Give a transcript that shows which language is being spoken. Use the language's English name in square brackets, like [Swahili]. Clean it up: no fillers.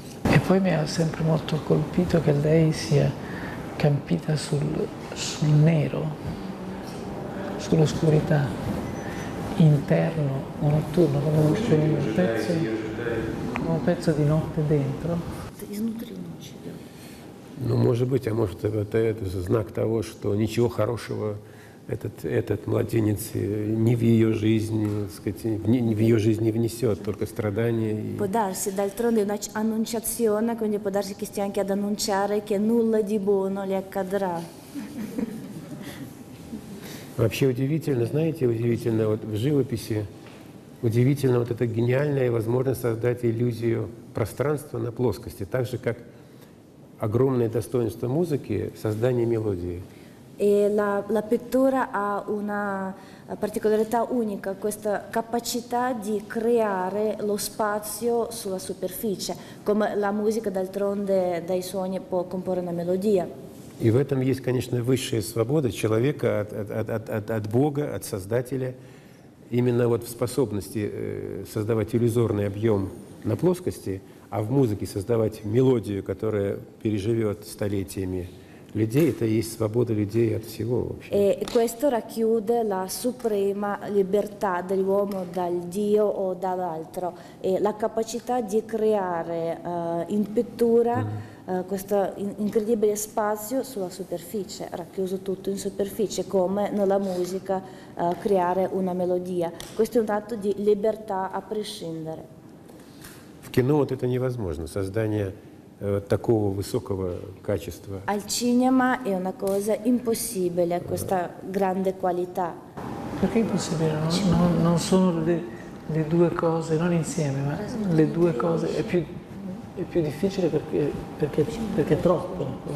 [Italian] E poi mi ha sempre molto colpito che lei sia campita sul nero, sull'oscurità, interno o notturno, come un pezzo di notte dentro. [Russian] Ну, может быть, а может это знак того, что ничего хорошего этот младенец ни в ее жизни, так сказать, ни в ее жизни внесет, только страдания. [Italian] Подарси, d'altronde, una annunciazione, quindi può darsi che stia anche ad annunciare che nulla di buono le accadrà. [Russian] Вообще удивительно, знаете, удивительно, вот в живописи, удивительно вот эта гениальная возможность создать иллюзию пространства на плоскости, так же, как огромное достоинство музыки – создание мелодии. [Italian] E la pittura ha una particolarità unica, questa capacità di creare lo spazio sulla superficie, come la musica d'altronde dai suoni può comporre una melodia. [Russian] И в этом есть, конечно, высшая свобода человека от Бога, от Создателя, именно вот в способности создавать иллюзорный объем на плоскости, а в музыке создавать мелодию, которая переживет столетиями. Людей, это и есть свобода людей от всего вообще. [Italian] E questo racchiude la suprema libertà dell'uomo dal Dio o dall'altro, e la capacità di creare in pittura questo incredibile spazio sulla superficie, racchiuso tutto in superficie, come nella musica creare una melodia. Questo è un atto di libertà a prescindere. [Russian] В кино вот это невозможно, создание такого высокого качества. [Italian] Al cinema è una cosa impossibile, questa grande qualità. Perché impossibile? Non sono le due cose, non insieme, ma le due cose. È più difficile perché troppo.